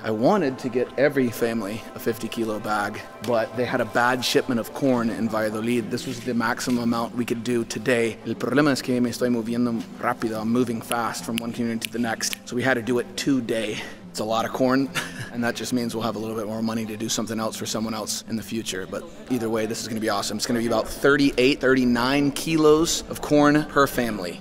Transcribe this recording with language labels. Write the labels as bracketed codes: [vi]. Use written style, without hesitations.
[en] I wanted to get every family a 50 kilo bag, but they had a bad shipment of corn in Valladolid. This was the maximum amount we could do today. [es] El problema es que me estoy moviendo rápido. [en] I'm moving fast from one community to the next. So we had to do it today. It's a lot of corn, and that just means we'll have a little bit more money to do something else for someone else in the future. But either way, this is gonna be awesome. It's gonna be about 38, 39 kilos of corn per family.